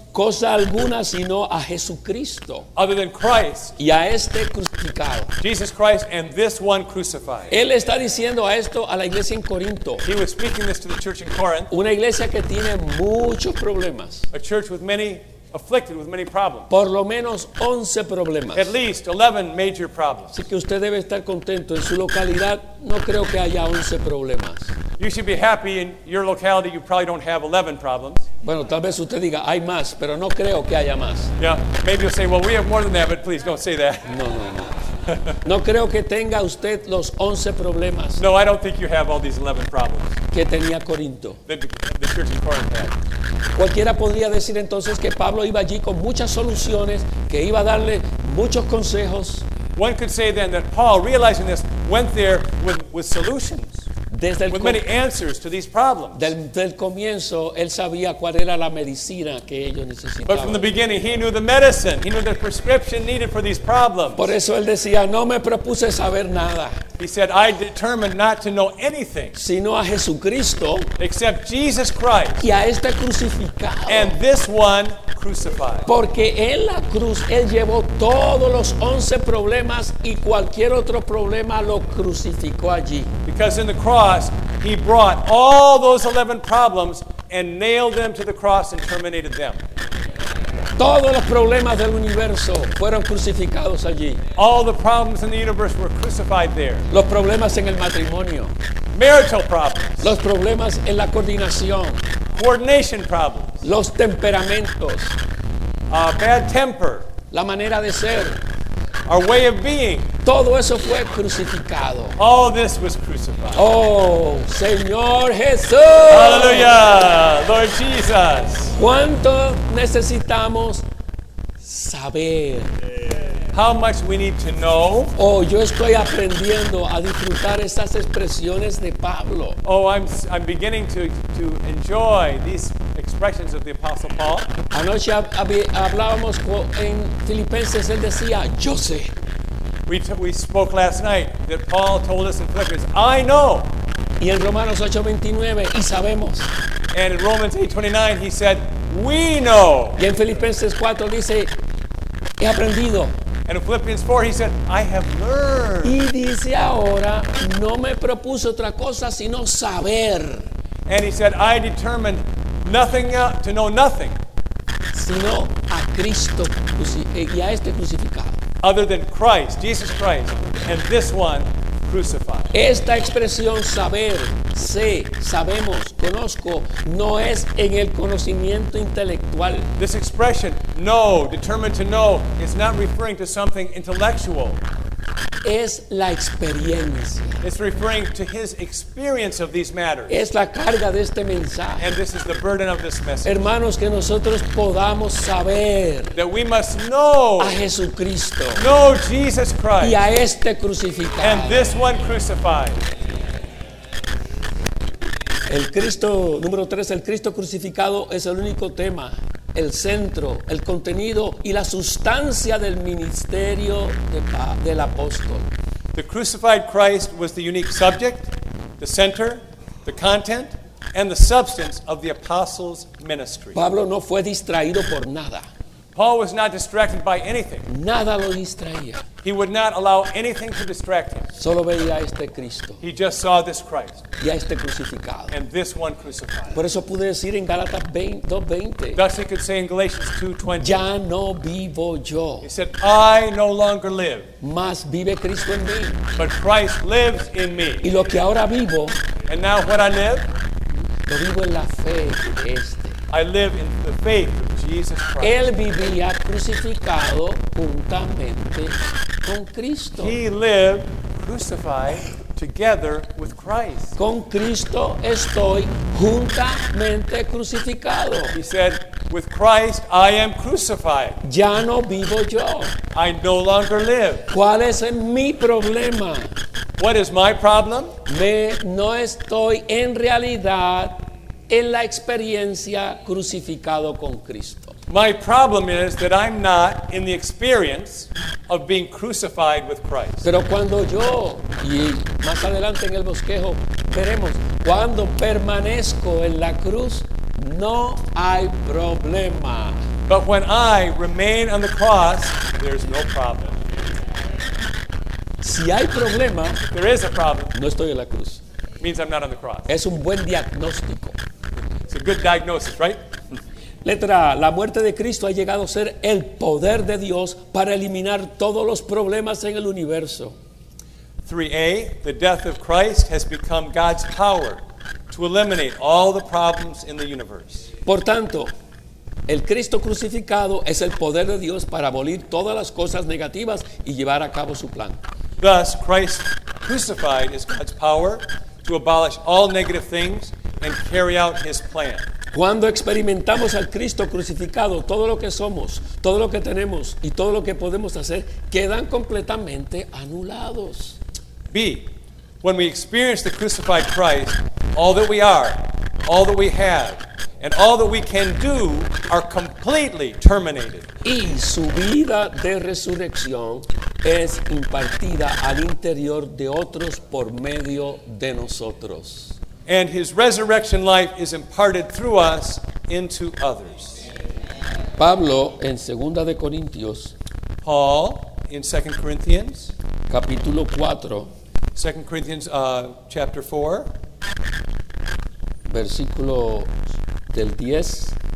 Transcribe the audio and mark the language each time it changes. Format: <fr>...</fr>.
<es>cosa alguna sino a Jesucristo,</es> <en>other than Christ,</en> <es>y a este crucificado,</es> <en>Jesus Christ and this one crucified.</en> <es>Él está diciendo a esto a la iglesia en Corinto.</es> <en>He was speaking this to the church in Corinth,</en> <es>una iglesia que tiene muchos problemas,</es> <en>a church with many, afflicted with many problems,</en> <es>por lo menos 11 problemas,</es> <en>at least 11 major problems.</en> <es>Así que usted debe estar contento en su localidad, no creo que haya 11 problemas.</es> <en>You should be happy in your locality. You probably don't have 11 problems.</en> <es>Bueno, tal vez usted diga, hay más, pero no creo que haya más.</es> <en>Yeah, maybe you'll say, well, we have more than that, but please don't say that.</en> <es>No. No creo que tenga usted los 11 problemas.</es> <en>No, I don't think you have all these 11 problems.</en> <es>Que tenía Corinto.</es> <en>The church in Corinth had.</en> <es>Cualquiera podría decir entonces que Pablo iba allí con muchas soluciones, que iba a darle muchos consejos.</es> <en>One could say then that Paul, realizing this, went there with solutions. With many answers to these problems.</en> <es>Del comienzo, él sabía cuál era la medicina que ellos necesitaban.</es> <en>But from the beginning, he knew the medicine. He knew the prescription needed for these problems.</en> <es>Por eso él decía, no me propuse saber nada.</es> <en>He said, I determined not to know anything.</en> <es>Sino a Jesucristo.</es> <en>Except Jesus Christ.</en> <es>Y a este crucificado.</es> <en>And this one crucified.</en> <es>Porque en la cruz, él llevó todos los 11 problemas y cualquier otro problema lo crucificó allí.</es> <en>Because in the cross, he brought all those 11 problems and nailed them to the cross and terminated them.</en> <es>Todos los problemas del universo fueron crucificados allí.</es> <en>All the problems in the universe were crucified there.</en> <es>Los problemas en el matrimonio.</es> <en>Marital problems.</en> <es>Los problemas en la coordinación.</es> <en>Coordination problems.</en> <es>Los temperamentos.</es> <en>Bad temper.</en> <es>La manera de ser.</es> <en>Our way of being.</en> <es>Todo eso fue crucificado.</es> <en>All this was crucified.</en> <es>Oh, Señor Jesús.</es> <en>Hallelujah. Lord Jesus.</en> <es>¿Cuánto necesitamos saber?</es> <en>How much we need to know?</en> <es>Oh, yo estoy aprendiendo a disfrutar esas expresiones de Pablo.</es> <en>Oh, I'm beginning to enjoy these expressions of the Apostle Paul.</en> <es>Anoche hablábamos en Filipenses, él decía, yo sé.</es> <en>We spoke last night that Paul told us in Philippians, I know.</en> <es>Y en Romanos 8:29, y sabemos.</es> <en>And in Romans 8:29, he said, we know.</en> <es>Y en Filipenses 4 dice, he aprendido.</es> <en>And in Philippians 4, he said, I have learned.</en> <es>Y dice ahora, no me propuse otra cosa sino saber.</es> <en>And he said, I determined nothing to know nothing.</en> <es>Sino a Cristo y a este crucificado.</es> <en>Other than Christ, Jesus Christ, and this one crucified.</en> <es>Esta expresión saber, sé, sabemos, conozco, no es en el conocimiento intelectual.</es> <en>This expression, know, determined to know, is not referring to something intellectual.</en> <es>es la experiencia.</es> <en>It's referring to his experience of these matters.</en> <es>Es la carga de este mensaje.</es> <en>And this is the burden of this message.</en> <es>Hermanos, que nosotros podamos saber.</es> <en>That we must know.</en> <es>A Jesucristo.</es> <en>Know Jesus Christ.</en> <es>Y a este crucificado.</es> <en>And this one crucified.</en> <es>El Cristo número 3, el Cristo crucificado, es el único tema, el centro, el contenido y la sustancia del ministerio del apóstol.</es> <en>The crucified Christ was the unique subject, the center, the content, and the substance of the apostles' ministry.</en> <es>Pablo no fue distraído por nada.</es> <en>Paul was not distracted by anything.</en> <es>Nada lo distraía.</es> <en>He would not allow anything to distract him.</en> <es>Solo veía a este Cristo.</es> <en>He just saw this Christ.</en> <es>Y a este crucificado.</es> <en>And this one crucified.</en> <es>Por eso pude decir en Gálatas 2:20.</es> <en>Thus he could say in Galatians 2:20.</en> <es>Ya no vivo yo.</es> <en>He said, I no longer live.</en> <es>Mas vive Cristo en mí.</es> <en>But Christ lives in me.</en> <es>Y lo que ahora vivo.</es> <en>And now what I live.</en> <es>Lo vivo en la fe de este.</es> <en>I live in the faith of Jesus Christ.</en> <es>Él vivía crucificado juntamente con Cristo.</es> <en>He lived crucified together with Christ.</en> <es>Con Cristo estoy juntamente crucificado.</es> <en>He said, with Christ I am crucified.</en> <es>Ya no vivo yo.</es> <en>I no longer live.</en> <es>¿Cuál es mi problema?</es> <en>What is my problem?</en> <es>No estoy en realidad en la experiencia crucificado con Cristo.</es> <en>My problem is that I'm not in the experience of being crucified with Christ.</en> <es>Pero cuando yo, y más adelante en el bosquejo, veremos, cuando permanezco en la cruz, no hay problema.</es> <en>But when I remain on the cross, there's no problem.</en> <es>Si hay problema,</es> <en>there is a problem.</en> <es>No estoy en la cruz.</es> <en>It means I'm not on the cross.</en> <es>Es un buen diagnóstico.</es> <en>It's a good diagnosis, right?</en> <es>Letra A. La muerte de Cristo ha llegado a ser el poder de Dios para eliminar todos los problemas en el universo.</es> <en>3A. The death of Christ has become God's power to eliminate all the problems in the universe.</en> <es>Por tanto, el Cristo crucificado es el poder de Dios para abolir todas las cosas negativas y llevar a cabo su plan.</es> <en>Thus, Christ crucified is God's power to abolish all negative things and carry out his plan.</en> <es>Cuando experimentamos al Cristo crucificado, todo lo que somos, todo lo que tenemos y todo lo que podemos hacer quedan completamente anulados.</es> <en>B. When we experience the crucified Christ, all that we are, all that we have, and all that we can do are completely terminated.</en> <es>Y su vida de resurrección es impartida al interior de otros por medio de nosotros.</es> <en>And his resurrection life is imparted through us into others.</en> <es>Pablo en Segunda de Corintios.</es> <en>Paul in 2 Corinthians.</en> <es>Capítulo 4.</es> <en>2 Corinthians chapter 4.</en> <es>Versículo del 10.</es>